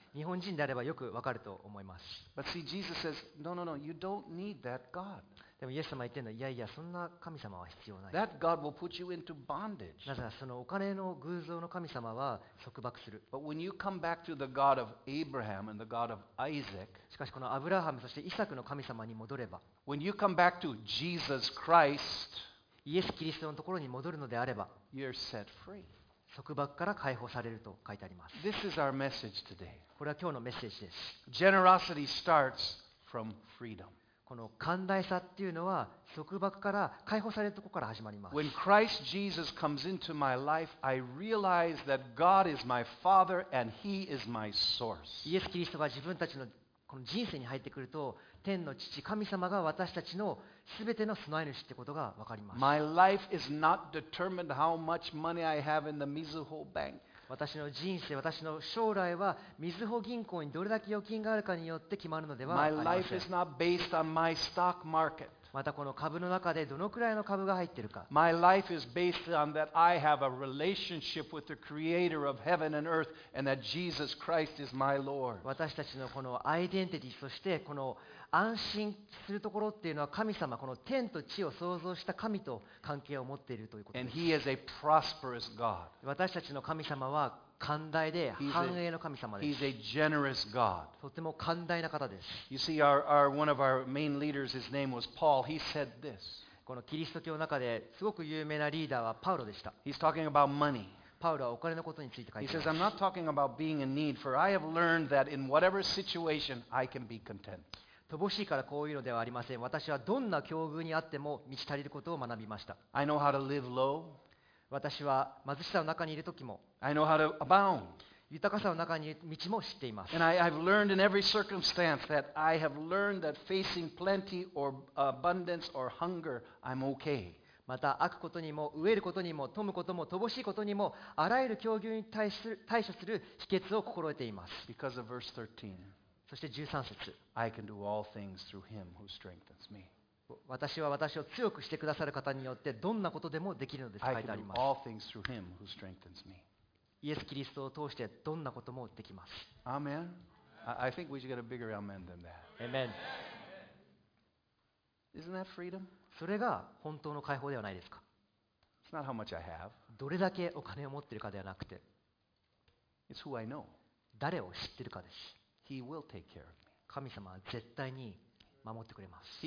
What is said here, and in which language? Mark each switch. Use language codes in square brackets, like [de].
[ja] 日本人であればよくわかると思います。 [en] But see, Jesus says, no, you don't need that god. [ja] でもイエス様言ってるのは、いやいや、そんな神様は必要ない。 [en] That God will put you into bondage. [ja] なぜならそのお金の偶像の神様は束縛する。 [en] But when you come back to the God of Abraham and the God of Isaac, [ja] しかしこのアブラハム、そしてイサクの神様に戻れば、 [en] When you come back to Jesus Christ, [ja] イエス・キリストのところに戻るのであれば、 [en] You're set free. [ja] 束縛から解放されると書いてあります。 [en] This is our message today. [ja] これは今日のメッセージです。 [en] Generosity starts from freedom. [ja] この寛大さっていうのは束縛から解放されるところから始まります。 [en] When Christ Jesus comes into my life, I realize that God is my Father and He is my source. [ja] イエス・キリストが自分たちのこの人生に入ってくると、天の父、神様が私たちのすべての備え主ってことがわかります。 [en] My life is not determined how much money I have in the Mizuho Bank. [ja] 私の人生、私の将来は、みずほ銀行にどれだけ預金があるかによって決まるのではありません。またこの株の中でどのくらいの株が入っているか。 [en] My life is based on that I have a relationship with the Creator of heaven and earth and that Jesus Christ is my Lord. [ja] 私たちのこのアイデンティティ、そしてこの安心するところっていうのは神様、この天と地を創造した神と関係を持っているということです。 [en] And he is a prosperous God. [ja] 私たちの神様は寛大で繁栄の神様です。 [en] He's a generous God. [ja] とても寛大な方です。 [en] You see, our one of our main leaders, his name was Paul. He said this. [ja] このキリスト教の中ですごく有名なリーダーはパウロでした。 [en] He's talking about money. [ja] パウロはお金のことについて書いています [en] He says, I'm not talking about being in need, for I have learned that in whatever situation I can be content. [ja] 乏しいからこういうのではありません。私はどんな境遇にあっても満ち足りることを学びました。 [en] I know how to live low. [ja] 私は貧しさの中にいる時も [en] I know how to abound. [ja] 豊かさの中にいる道も知っています。 [en] And I've learned in every circumstance that I have learned that facing plenty or abundance or hunger, I'm okay. [ja] また飽くことにも飢えることにも富むことも乏しいことにもあらゆる境遇に対処する秘訣を心得ています。 [en] Because of verse 13. [ja] そして13節、 [en] I can do all things through him who strengthens me. [ja] 私は私を強くしてくださる方によってどんなことでもできるのです。 [en] I can do all things through him who strengthens me. [ja] イエス・キリストを通してどんなこともできます。 [en] Amen. I think we should get a bigger amen than that. Amen. Isn't that freedom? [ja] それが本当の解放ではないですか。 [en] It's not how much I have. [ja] どれだけお金を持っているかではなくて、 [en] It's who I know. [ja] 誰を知っているかです。 [en] He will take care of me. [ja] 神様は絶対に守ってくれます。